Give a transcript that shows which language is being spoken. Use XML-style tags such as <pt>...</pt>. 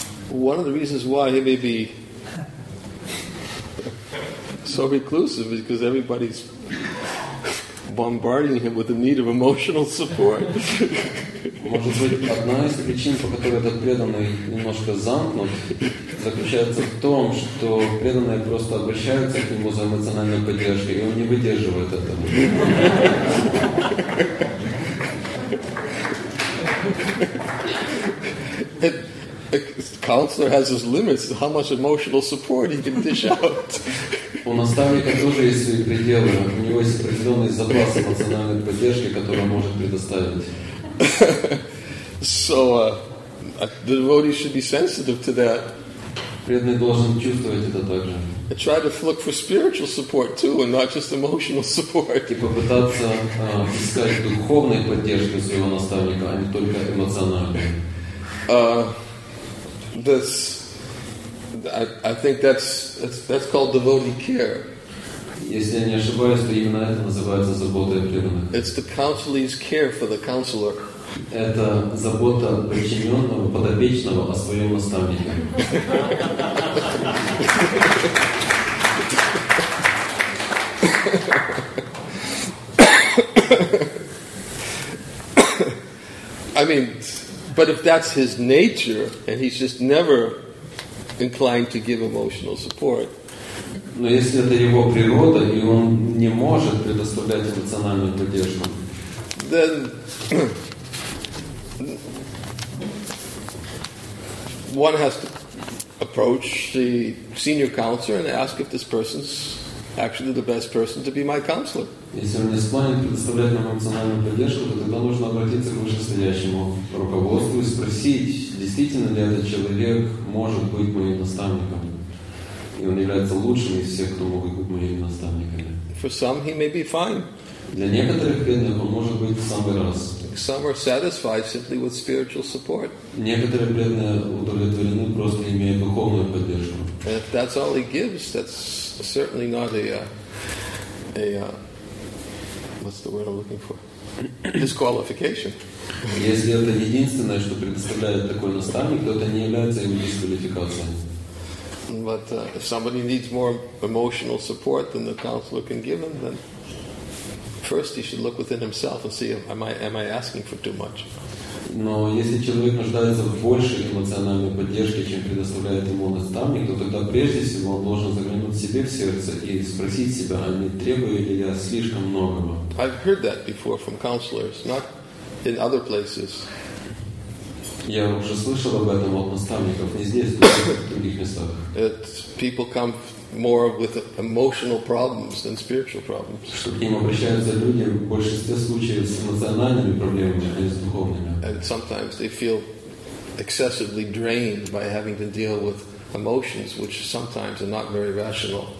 <en>One of the reasons why he may be so reclusive is because everybody's bombarding him with the need of emotional support.</en> <ru>Может быть, одна из причин, по которой этот преданный немножко замкнут, заключается в том, что преданные просто обращаются к нему за эмоциональной поддержкой, и он не выдерживает этого.</ru> <en>Counselor has his limits to how much emotional support he can dish out.</en> <ru>У наставника тоже есть свои пределы. У него есть определенный запас эмоциональной поддержки, который он может предоставить.</ru> <en>So the devotee should be sensitive to that.</en> <ru>Преданный должен чувствовать это также.</ru> <en>And try to look for spiritual support too, and not just emotional support.</en> <ru>И попытаться искать духовной поддержки своего наставника, а не только эмоциональной.</ru> <en>I think that's called devotee care.</en> <ru>Если я не ошибаюсь, то именно это называется заботой о преданных.</ru> <en>It's the counselee's care for the counselor.</en> <ru>Это забота подчиненного, подопечного о своем наставнике.</ru> <en>I mean. But if that's his nature, and he's just never inclined to give emotional support.</en> <ru>Но если это его природа, и он не может предоставлять эмоциональную поддержку.</ru> <en>Then one has to approach the senior counselor and ask if this person's actually the best person to be my counselor.</en> <ru>Если он не склонен предоставлять нам эмоциональную поддержку, то тогда нужно обратиться к вышестоящему руководству и спросить, действительно ли этот человек может быть моим наставником. И он является лучшим из всех, кто могут быть моими наставниками.</ru> <en>For some he may be fine.</en> <ru>Для некоторых преданных он может быть в самый раз.</ru> <en>Some are satisfied simply with spiritual support.</en> <ru>Некоторые преданные удовлетворены, просто имея духовную поддержку.</ru> <en>And if that's all he gives, that's certainly not what's the word I'm looking for? Disqualification.</en> <ru>Если это единственное, что предоставляет такой наставник, то это не является его дисквалификацией.</ru> <en>But if somebody needs more emotional support than the counselor can give him, then first he should look within himself and see, am I asking for too much?</en> <ru>Но если человек нуждается в большей эмоциональной поддержке, чем предоставляет ему наставник, то тогда прежде всего он должен заглянуть себе в сердце и спросить себя, а не требую ли я слишком многого.</ru> <en>I've heard that before from counselors, not in other places.</en> <ru>Я уже слышал об этом от наставников, не здесь, но в других местах.</ru> <en>That people come more with emotional problems than spiritual problems.</en> <ru>Что к ним обращаются люди в большинстве случаев с эмоциональными проблемами, а не с духовными.</ru> <en>And sometimes they feel excessively drained by having to deal with emotions, which sometimes are not very rational.</en>